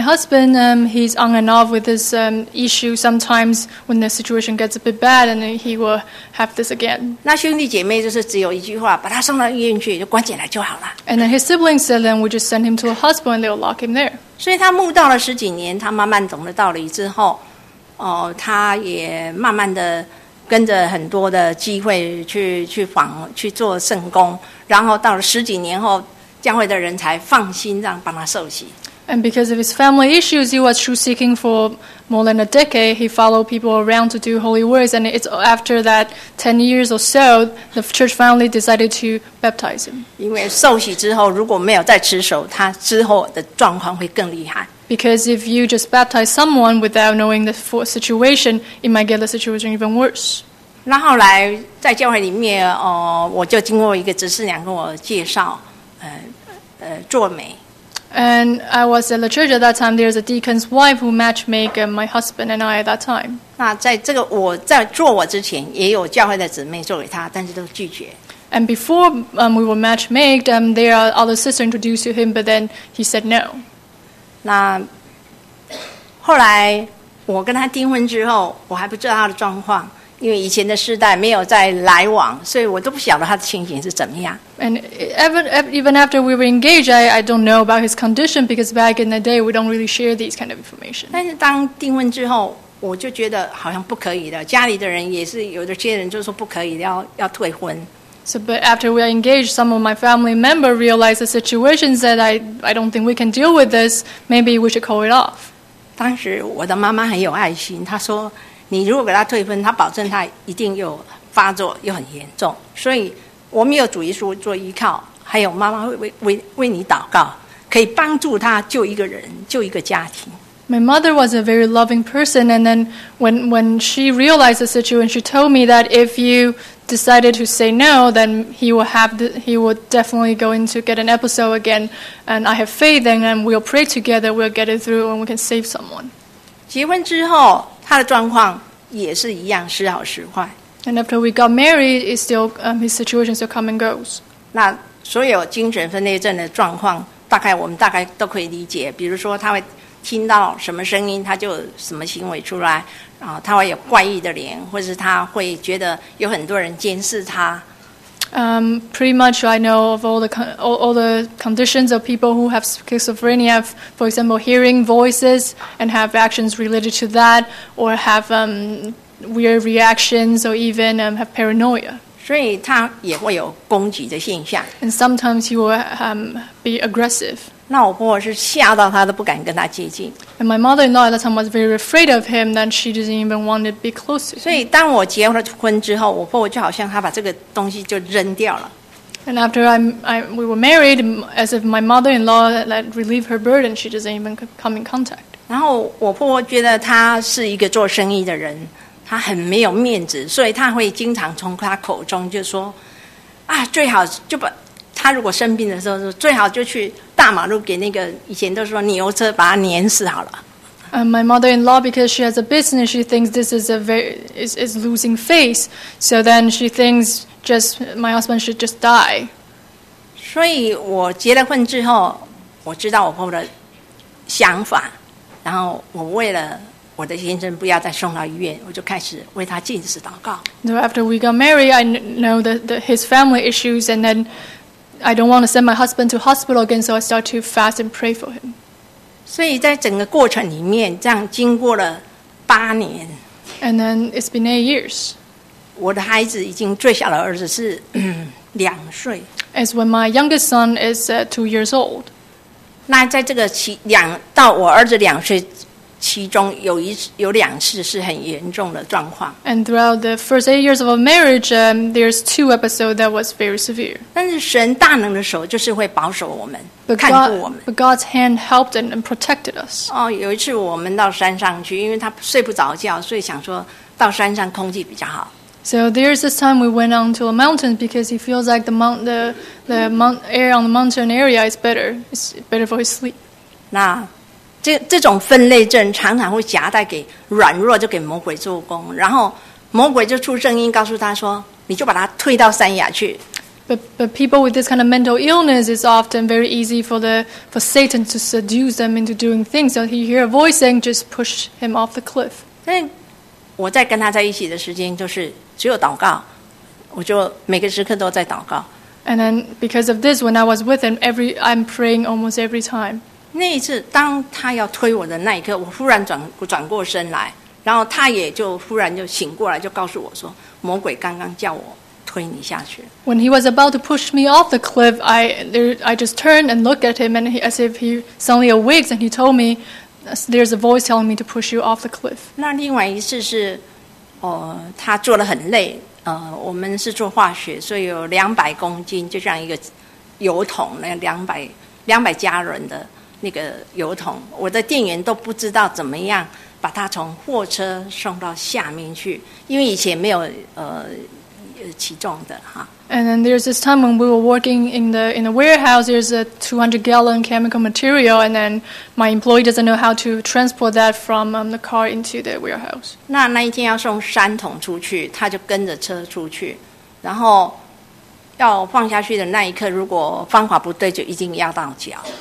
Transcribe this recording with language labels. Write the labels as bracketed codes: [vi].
[en] husband, he's on and off with this issue sometimes when the situation gets a bit bad, and then he will have this again. [zh] 那兄弟姐妹就是只有一句话，把他送到医院去，就关起来就好了。 [en] And then his siblings said, then we just send him to a hospital and they'll lock him there. [zh] 所以他慕道了十几年，他慢慢懂了道理之后。哦，他也慢慢的跟着很多的机会去做圣工，然后到了十几年后，教会的人才放心让帮他受洗。 [en] And because of his family issues, he was truth seeking for more than a decade. He followed people around to do holy works, and it's after that 10 years or so, the church finally decided to baptize him. [zh] 因为受洗之后，如果没有再持守，他之后的状况会更厉害。 [en] Because if you just baptize someone without knowing the full situation, it might get the situation even worse. [zh] 那后来在教会里面，我就经过一个执事娘跟我介绍，做媒。 [en] And I was at the church at that time. There's a deacon's wife who matchmade my husband and I at that time. [zh] 那在这个我在做我之前，也有教会的姊妹做给他，但是都拒绝。 [en] And before we were matchmade, there are other sisters introduced to him, but then he said no. [zh] 那后来我跟他订婚之后，我还不知道他的状况。因为以前的世代没有在来往，所以我都不晓得他的情形是怎么样。 [en] And even after we were engaged, I don't know about his condition because back in the day we don't really share these kind of information. [zh] 但是当订婚之后，我就觉得好像不可以的。家里的人也是有的，些人就说不可以，要退婚。 [en] So, but after we are engaged, some of my family member realize the situation that I don't think we can deal with this. Maybe we should call it off. [zh] 当时我的妈妈很有爱心，她说。你如果给他退婚，他保证他一定又发作又很严重，所以我们有主耶稣做依靠，还有妈妈会 为你祷告，可以帮助他救一个人，救一个家庭。 [en] My mother was a very loving person, and then when she realized the situation, she told me that if you decided to say no, then he would definitely go into get an episode again, and I have faith, and then we'll pray together, we'll get it through, and we can save someone. [zh] 结婚之后。他的状况也是一样，时好时坏。 [en] And after we got married, it's still his situation still come and goes. [zh] 那所有精神分裂症的状况，大概我们大概都可以理解。比如说，他会听到什么声音，他就什么行为出来，然后他会有怪异的脸，或者是他会觉得有很多人监视他。 [en] Pretty much I know of all the conditions of people who have schizophrenia, for example, hearing voices and have actions related to that, or have weird reactions, or even have paranoia. [zh] 所以他也会有攻击的现象。 [en] And sometimes he will be aggressive. [zh] 那我婆婆是吓到他都不敢跟他接近。 [en] And my mother-in-law at that time was very afraid of him, that she didn't even want to be close to him. [zh] 所以当我结婚之后，我婆婆就好像她把这个东西就扔掉了。 [en] And after we were married, as if my mother-in-law let relieve her burden, she doesn't even come in contact. [zh] 然后我婆婆觉得她是一个做生意的人，她很没有面子，所以她会经常从她口中就说，啊，最好就把。他如果生病的时候，最好就去大马路给那个以前都说牛车把他碾死好了。 [en] My mother-in-law, because she has a business, she thinks this is a very is losing face. So then she thinks just my husband should just die. [zh] 所以我结了婚之后，我知道我婆婆的想法，然后我为了。我的先生不要再送到医院，我就开始为他进食祷告。 [en] So after we got married, I know the his family issues, and then I don't want to send my husband to hospital again, so I start to fast and pray for him. [zh] 所以在整个过程里面，这样经过了八年。 [en] And then it's been 8 years. [zh] 我的孩子已经最小的儿子是两岁。 [en] As when my youngest son is 2 years old. [zh] 那在这个到我儿子两岁。其中有两次是很严重的状况。 [en] And throughout the first 8 years of a marriage, there's 2 episodes that was very severe. [zh] 但是神大能的手就是会保守我们， [en] but [zh] 看顾我们。 [en] But God's hand helped and protected us. [zh] 有一次我们到山上去，因为他睡不着觉，所以想说到山上空气比较好。 [en] So there's this time we went on to a mountain because he feels like air on the mountain area is better. It's better for his sleep. [zh] 那这种分裂症常常会夹带给软弱，就给魔鬼做工，然后魔鬼就出声音告诉他说：“你就把他推到山崖去。” [en] But people with this kind of mental illness is often very easy for Satan to seduce them into doing things. So he hear a voice saying, "Just push him off the cliff." [zh] 但我在跟他在一起的时间，就是只有祷告，我就每个时刻都在祷告。 [en] And then because of this, when I was with him, I'm praying almost every time. [zh] 那一次当他要推我的那一刻，我忽然转过身来，然后他也就忽然就醒过来，就告诉我说，魔鬼刚刚叫我推你下去。 [en] When he was about to push me off the cliff, I just turned and looked at him, and he, as if he suddenly awakes, and he told me, "There's a voice telling me to push you off the cliff." [zh] 那另外一次是，他做得很累，我们是做化学，所以有200公斤，就像一个油桶，那两百加仑的那个油桶，我的店员都不知道怎么样。把他从货车送到下面去，因为以前没有起重的哈。 [en] And then there's this time when we were working in the warehouse. There's a 200-gallon chemical material, and then my employee doesn't know how to transport that from the car into the warehouse. [zh] 那一天要送三桶出去，他就跟着车出去，然后要放下去的那一刻，如果方法不对，就一定要到脚。